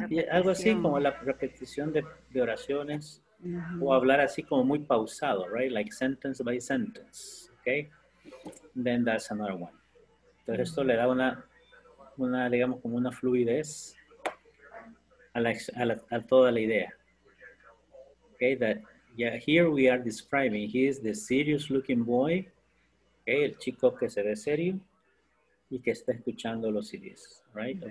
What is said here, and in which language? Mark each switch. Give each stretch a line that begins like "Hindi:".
Spanish: algo así como la repetición de oraciones o hablar así como muy pausado, right?
English: Like sentence by sentence, okay? Then that's another one.
Spanish: Entonces esto le da una digamos como una fluidez a toda la idea.
English: Okay, that yeah, here we are describing he is the serious looking boy, okay?
Spanish: El chico que se ve serio y que está escuchando los CDs, right?